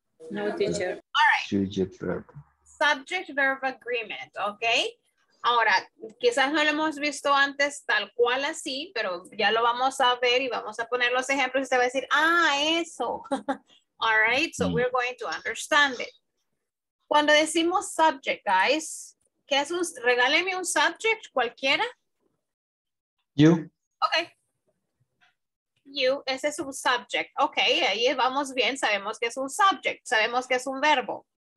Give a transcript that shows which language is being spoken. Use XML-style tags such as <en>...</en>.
<en>No, teacher. All right. Subject verb agreement, okay?</en> <es>Ahora, quizás no lo hemos visto antes tal cual así, pero ya lo vamos a ver y vamos a poner los ejemplos y se va a decir, ah, eso.</es> <en>All right, so we're going to understand it.</en> <es>Cuando decimos subject, guys, ¿qué es un, regáleme un subject cualquiera?</es> <en>You.</en> <es>Okay. you, ese es un subject. Okay, ahí vamos bien, sabemos que es un subject, sabemos que es un verbo.</es>